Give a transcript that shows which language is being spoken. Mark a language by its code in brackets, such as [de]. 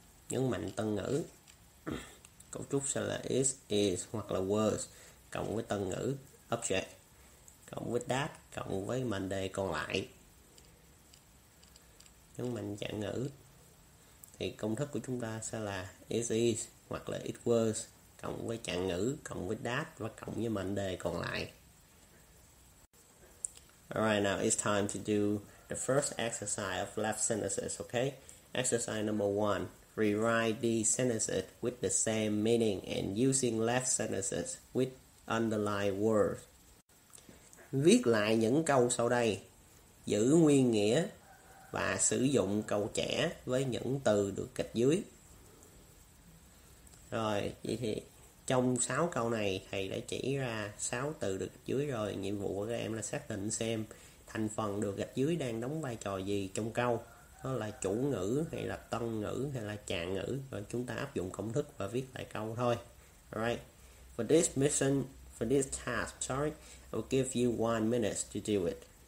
[vi] Nhấn mạnh tân ngữ. Cấu trúc sẽ là is hoặc là was cộng với tân ngữ, object, cộng với that, cộng với mệnh đề còn lại. Nhấn mạnh trạng ngữ. Thì công thức của chúng ta sẽ là is hoặc là it was cộng với trạng ngữ, cộng với that và cộng với mệnh đề còn lại. [en] Alright, now it's time to do the first exercise of left sentences, okay? Exercise number one, rewrite these sentences with the same meaning and using left sentences with underlined words. [vi] Viết lại những câu sau đây, giữ nguyên nghĩa và sử dụng câu trẻ với những từ được gạch dưới. Rồi, vậy thì trong 6 câu này thầy đã chỉ ra 6 từ được gạch dưới rồi. Nhiệm vụ của các em là xác định xem thành phần được gạch dưới đang đóng vai trò gì trong câu. nó là chủ ngữ hay là tân ngữ hay là tràng ngữ, rồi chúng ta áp dụng công thức và viết lại câu thôi. [en] Alright, for this mission, for this task, sorry, I will give you 1 minute to do it.